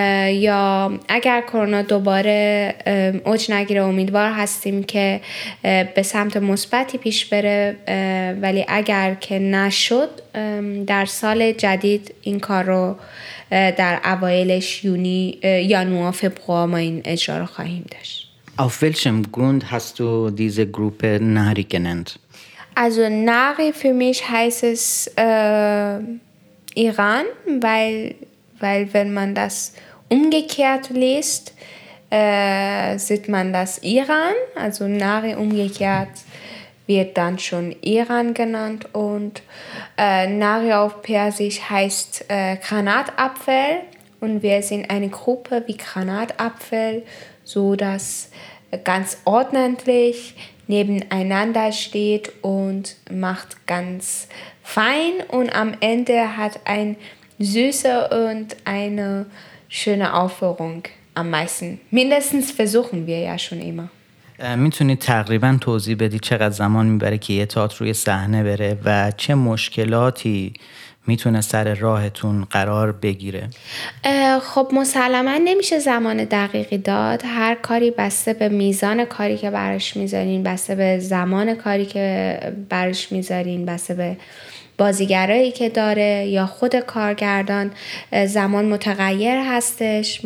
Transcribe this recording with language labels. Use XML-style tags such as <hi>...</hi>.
<fa>یا اگر کرونا دوباره اوج نگیره امیدوار هستیم که به سمت مثبتی پیش بره، ولی اگر که نشد در سال جدید این کار رو در اوائلش یونی یا نوه فبروه ما این اجرا رو خواهیم داشت.</fa> <de>Auf welchem Grund hast du diese Gruppe Nari genannt? Also Nari für mich heißt es Iran, weil wenn man das umgekehrt liest, sieht man das Iran. Also Nari umgekehrt wird dann schon Iran genannt. Und Nari auf Persisch heißt Granatapfel. Und wir sind eine Gruppe wie Granatapfel, so dass ganz ordentlich nebeneinander steht und macht ganz fein und am Ende hat ein süßer und eine schöne Aufführung am meisten. Mindestens versuchen wir ja schon immer.</de> <fa>میتونید تقریبا توضیح بدید چقدر زمان میبره که یه تئاتر روی صحنه بره و چه مشکلاتی میتونه سر راهتون قرار بگیره؟ خب مسلما نمیشه زمان دقیقی داد. هر کاری بسته به میزان کاری که براش میذارین، بسته به زمان کاری که براش میذارین، بسته به بازیگرایی که داره یا خود کارگردان، زمان متغیر هستش.</fa>